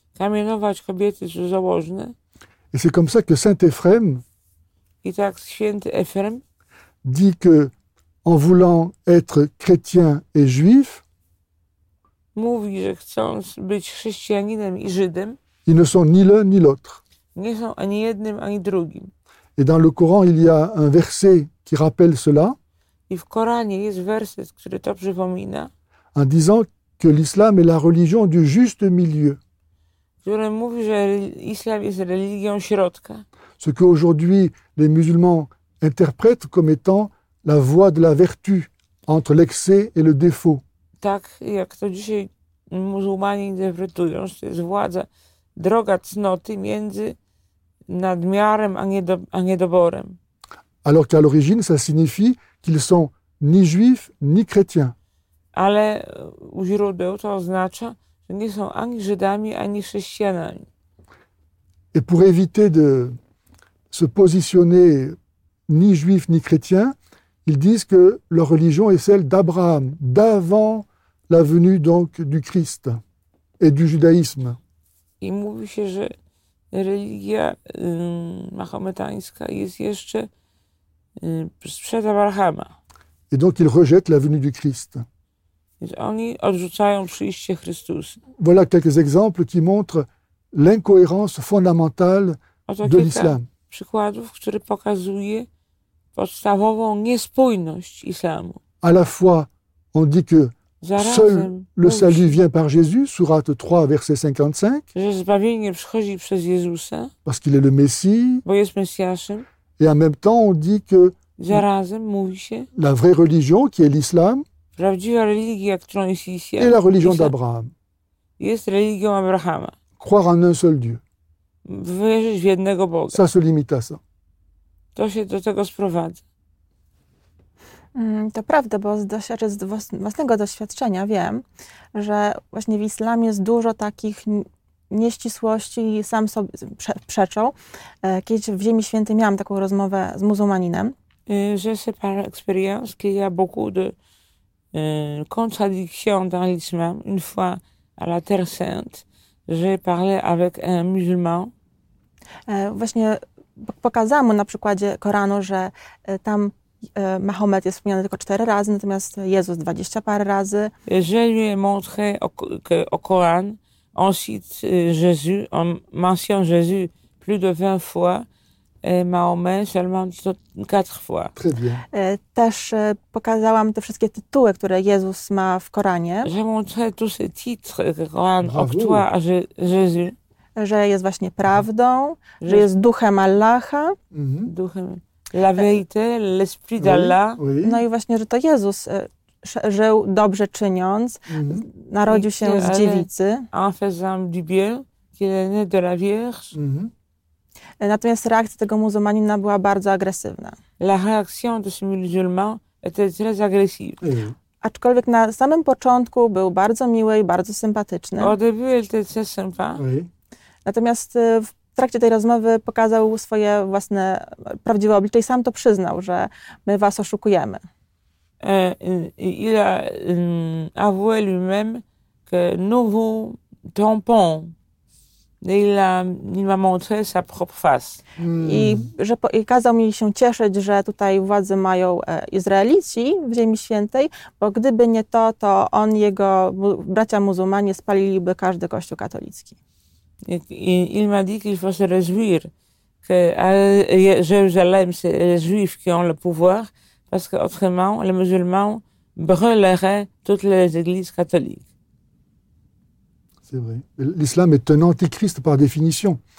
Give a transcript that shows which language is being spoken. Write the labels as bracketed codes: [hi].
[pl] Kamienować kobiety cudzołożne. [fr] Et c'est comme ça que saint Ephrem. [pl] I tak święty Ephrem. [fr] Dit que, en voulant être chrétien et juif. [pl] Mówi, że chcąc być chrześcijaninem i Żydem. [fr] Ils ne sont ni l'un ni l'autre. [pl] Nie są ani jednym, ani drugim. [fr] Et dans le Coran, il y a un verset qui rappelle cela. [pl] I w Koranie jest werset, który to przypomina. [fr] En disant que l'islam est la religion du juste milieu. [pl] Który mówi, że islam jest religią środka. [fr] Ce que aujourd'hui les musulmans interprètent comme étant la voie de la vertu entre l'excès et le défaut. [pl] Tak jak to dzisiaj muzułmanie interpretują, że to jest władza, droga cnoty między nadmiarem a niedoborem. [fr] Alors qu'à l'origine, ça signifie qu'ils sont ni juifs, ni chrétiens. [pl] Ale u źródeł to oznacza, że nie są ani Żydami, ani chrześcijanami. [fr] Et pour éviter de se positionner ni juifs, ni chrétiens, ils disent que leur religion est celle d'Abraham, d'avant la venue donc du Christ et du judaïsme. [pl] I mówi się, że religia mahometańska jest jeszcze sprzed Abrahama. [fr] Et donc ils rejettent la venue du Christ. [pl] Więc oni odrzucają przyjście Chrystusa. [fr] Voilà quelques exemples qui montrent l'incohérence fondamentale de l'islam. [pl] Oto kilka przykładów, które pokazuje podstawową niespójność islamu. [fr] À la fois, on dit que seul le salut vient par Jésus, sourate 3, verset 55. [pl] Że zbawienie przychodzi przez Jezusa. [fr] Parce qu'il est le Messie. [pl] Bo jest Mesjaszem. [fr] Et en même temps, on dit que [pl] zarazem, mówi się, [fr] la vraie religion, qui est l'islam, [pl] Prawdziwa religia, którą jest Islam, [fr] et la religion d'Abraham. [pl] jest religią Abrahama. [fr] Croire en un seul Dieu. [pl] Wierzyć w jednego Boga. [fr] Ça se limite à ça. [pl] To się do tego sprowadza. To prawda, bo z własnego doświadczenia wiem, że właśnie w islamie jest dużo takich nieścisłości i sam sobie przeczął. Kiedyś w Ziemi Świętej miałam taką rozmowę z muzułmaninem. [fr] Je sais par expérience qu'il y a beaucoup de contradictions dans l'islam. Une fois à la Terre Sainte, j'ai parlé avec un musulman. [pl] Właśnie pokazałam mu na przykładzie Koranu, że tam Mahomet jest wspomniany tylko 4 razy, natomiast Jezus 20 parę razy. [fr] Je lui ai montré au Coran, on cite Jésus, on mentionne Jésus plus de 20 fois et Mahomet seulement 4 fois. Très bien. [pl] Też pokazałam te wszystkie tytuły, które Jezus ma w Koranie. [fr] J'ai montré tous ces titres que Coran octroie à Jésus. [pl] Że jest właśnie prawdą, że jest duchem Allaha. Duchem. [fr] La vérité, l'esprit d'Allah. [pl] No i właśnie, że to Jezus żył dobrze czyniąc, narodził się z dziewicy. [fr] En faisant du bien, qu'il est né de la Vierge. [pl] Natomiast reakcja tego muzułmanina była bardzo agresywna. [fr] La réaction de ce musulman était très agressive. [pl] Aczkolwiek na samym początku był bardzo miły i bardzo sympatyczny. [fr] Au début, il était très sympa. [pl] Natomiast w trakcie tej rozmowy pokazał swoje własne prawdziwe oblicze i sam to przyznał, że my was oszukujemy. [fr] Il a avoué lui-même que nous vous trompons. Il m'a montré sa propre face. [pl] I że i kazał mi się cieszyć, że tutaj władzę mają Izraelici w Ziemi Świętej, bo gdyby nie to, to on i jego bracia muzułmanie spaliliby każdy kościół katolicki. [fr] Il m'a dit qu'il faut se réjouir que Jérusalem, c'est les Juifs qui ont le pouvoir, parce qu'autrement, les musulmans brûleraient toutes les églises catholiques. C'est vrai. L'islam est un antichrist par définition.